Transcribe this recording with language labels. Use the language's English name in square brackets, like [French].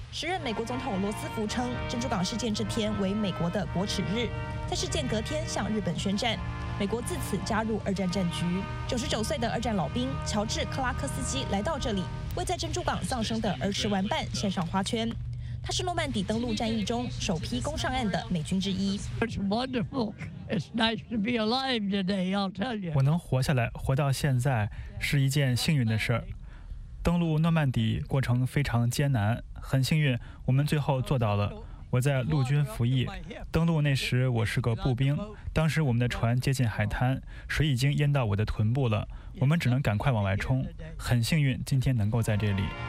[Chinese] 时任美国总统罗斯福称珍珠港事件这天为美国的国耻日，在事件隔天向日本宣战，美国自此加入二战战局。 99岁的二战老兵乔治·克拉克斯基来到这里，为在珍珠港丧生的儿时玩伴献上花圈。他是诺曼底登陆战役中首批攻上岸的美军之一。 [English] It's wonderful. It's nice to be alive today, I'll tell you. [Chinese] 我能活下来，活到现在，是一件幸运的事儿。登陆诺曼底过程非常艰难，很幸运，我们最后做到了。我在陆军服役，登陆那时我是个步兵，当时我们的船接近海滩，水已经淹到我的臀部了，我们只能赶快往外冲，很幸运今天能够在这里。